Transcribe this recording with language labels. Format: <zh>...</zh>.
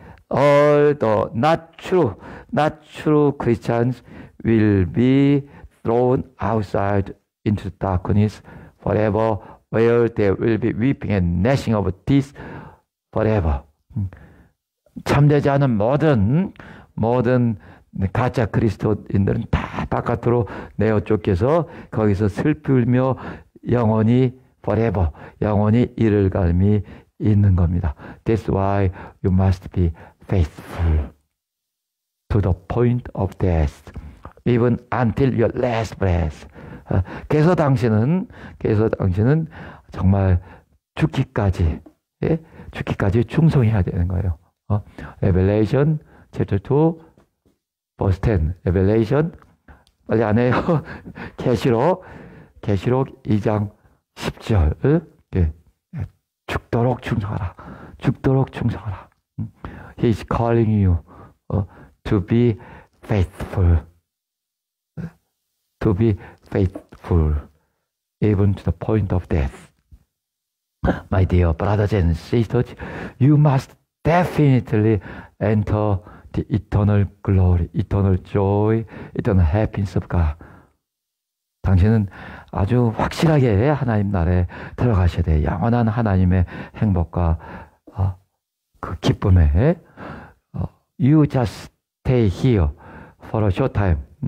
<en>All the not true Christians will be thrown outside into darkness forever, where there will be weeping and gnashing of teeth forever.</en> <ko>참되지 않은 모든 가짜 그리스도인들은 다 바깥으로 내어 쫓겨서 거기서 슬피 울며 영원히 forever, 영원히 이를 갈미 있는 겁니다.</ko> <en>That's why you must be faithful to the point of death, even until your last breath.</en> <ko>계속 당신은 정말 죽기까지 충성해야 되는 거예요.</ko> <en>Revelation chapter 2, verse 10.</en> <ko>Revelation, 빨리 안 해요. 계시록 2장 10절, 죽도록 충성하라.</ko> <en>He is calling you to be faithful. To be faithful, even to the point of death. My dear brothers and sisters, you must definitely enter the eternal glory, eternal joy, eternal happiness of God.</en> <ko>당신은 아주 확실하게 하나님 나라에 들어가셔야 돼요. 영원한 하나님의 행복과 그 기쁨에.</ko> <en>You just stay here for a short time.</en>